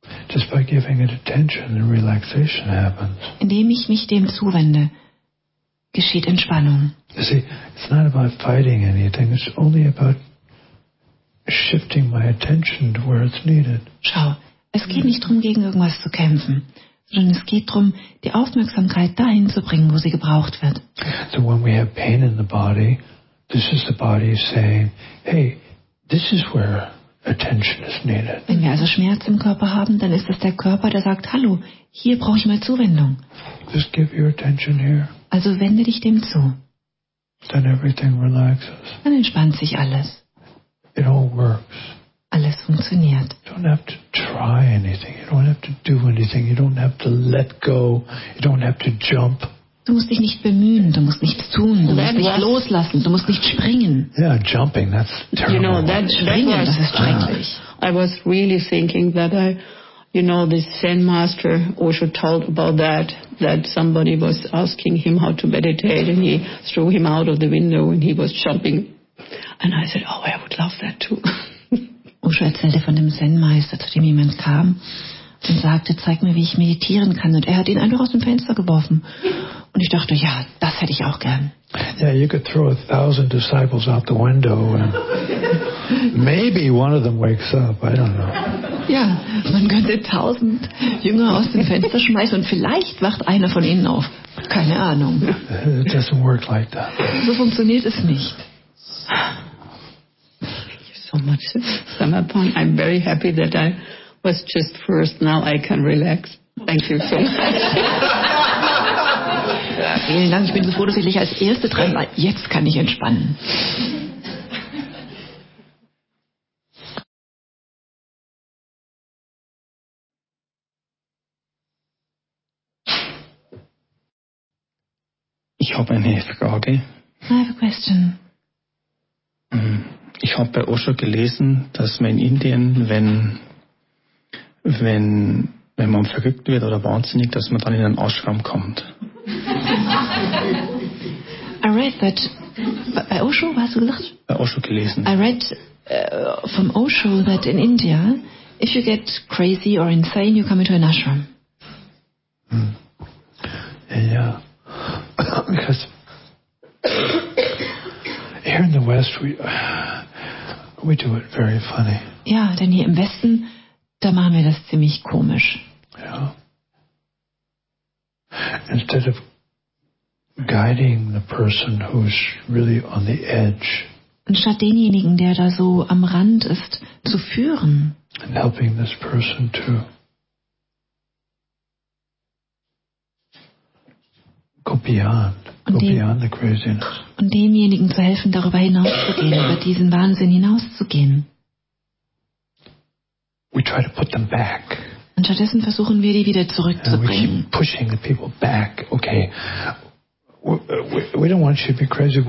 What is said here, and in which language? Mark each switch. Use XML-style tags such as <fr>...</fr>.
<en>Just by giving it attention, the relaxation happens.</en> <de>Indem ich mich dem zuwende, geschieht Entspannung.</de> <en>You see, it's not about fighting anything. It's only about shifting my attention to where it's needed.</en> <de>Schau, es geht nicht darum, gegen irgendwas zu kämpfen, sondern es geht darum, die Aufmerksamkeit dahin zu bringen, wo sie gebraucht wird.</de> <en>So when we have pain in the body, this is the body saying, hey, this is where attention is needed.</en> <de>Wenn wir also Schmerz im Körper haben, dann ist es der Körper, der sagt, hallo, hier brauche ich mal Zuwendung.</de> <en>Just give your attention here.</en> <de>Also wende dich dem zu.</de> <en>Then everything relaxes.</en> <de>Dann entspannt sich alles.</de> <en>It all works.</en> <de>Alles funktioniert.</de> <en>You don't have to try anything. You don't have to do anything. You don't have to let go. You don't have to jump.</en> <de>Du musst dich nicht bemühen, du musst nichts tun, du musst nicht loslassen, du musst nicht springen.</de> <en>Yeah, jumping, that's terrible. You know, that</en> <de>springen, was, das ist schrecklich.</de> <en>I was really thinking that I, you know, this Zen master Osho told about that, that somebody was asking him how to meditate and he threw him out of the window and he was jumping. And I said, oh, I would love that too.</en> <de>Osho erzählte von dem Zen-Meister, zu dem jemand kam und sagte, zeig mir, wie ich meditieren kann. Und er hat ihn einfach aus dem Fenster geworfen. Und ich dachte, ja, das hätte ich auch gern.</de> <en>Yeah, you could throw 1,000 disciples out the window and maybe one of them wakes up, I don't know.</en> <de>Ja, man könnte 1,000 Jünger aus dem Fenster schmeißen und vielleicht wacht einer von ihnen auf. Keine Ahnung.</de> <en>It doesn't work like that.</en> <de>So funktioniert es nicht.</de> <en>Thank you so much, Samapon. I'm very happy that I was just first. Now I can relax. Thank you so much.</en> <de>Vielen Dank, ich bin so froh, dass ich dich als Erste dran war. Jetzt kann ich entspannen. Ich habe eine Frage.</de> <en>I have a question.</en> <de>Ich habe bei Osho gelesen, dass man in Indien, wenn man verrückt wird oder wahnsinnig, dass man dann in einen Ashram kommt.</de> <en>I read that by Osho,</en> <de>was hast du gesagt? Bei Osho gelesen.</de> <en>I read from Osho that in India, if you get crazy or insane, you come into an ashram. Hm. Yeah. Because here in the West, we do it very funny.</en> <de>Ja, denn hier im Westen, da machen wir das ziemlich komisch. Ja.</de> <en>Instead of guiding the person who's really on the edge.</en> <de>Anstatt denjenigen, der da so am Rand ist, zu führen.</de> <en>And helping this person to go beyond, beyond the craziness.</en> <de>Und demjenigen zu helfen, darüber hinauszugehen, über diesen Wahnsinn hinauszugehen.</de> <en>We try to put them back.</en> <de>Und stattdessen versuchen wir, die wieder zurückzubringen.</de> <en>And we keep pushing the people back. Okay. We don't want you to be crazy.</en>